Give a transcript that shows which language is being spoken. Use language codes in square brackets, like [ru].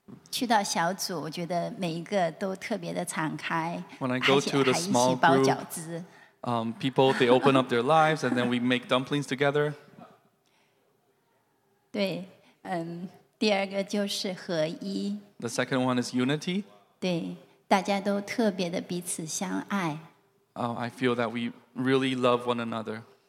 [zh] 去到小组，我觉得每一个都特别的敞开。 [en] When I go to the small group, people they open up their lives and then we make dumplings together. [zh] 对，第二个就是合一。 [en] The second one is unity. [zh] 对，大家都特别的彼此相爱。 [en] I feel that we really love one another.